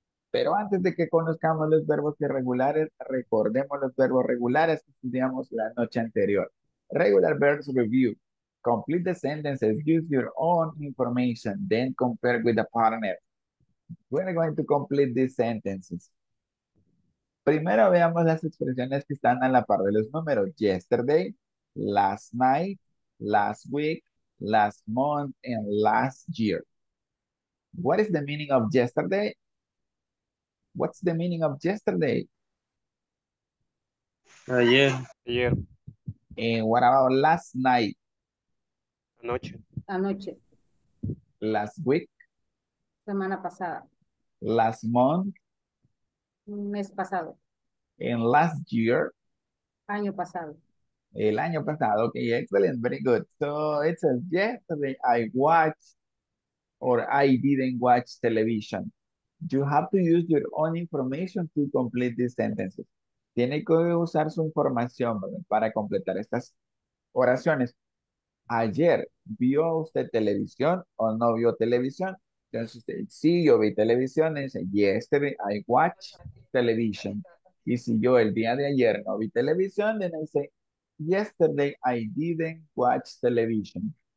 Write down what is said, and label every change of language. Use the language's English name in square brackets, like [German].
[Spanish] Pero antes de que conozcamos los verbos irregulares, recordemos los verbos regulares que estudiamos la noche anterior. [English] Regular verbs review. Complete the sentences. Use your own information. Then compare with the partner. We're going to complete these sentences. [Spanish] Primero veamos las expresiones que están a la par de los números. [English] Yesterday, last night, last week, last month, and last year. What is the meaning of yesterday? What's the meaning of yesterday? [Spanish] Ayer. [English] And what about last night? [Spanish] Anoche. Anoche. [English] Last week? [Spanish] Semana pasada. [English] Last month? [Spanish] Mes pasado. [English] In last year? [Spanish] Año pasado. El año pasado. [English] Okay, excellent. Very good. So it says, yesterday I watched or I didn't watch television. You have to use your own information to complete these sentences. [Spanish] Tiene que usar su información, ¿vale?, para completar estas oraciones. Ayer, ¿vio usted televisión o no vio televisión? Entonces usted, sí, yo vi televisión. Dice, [English] yesterday I watched television. [Spanish] Y si yo el día de ayer no vi televisión, [English] then I say, yesterday I didn't watch television.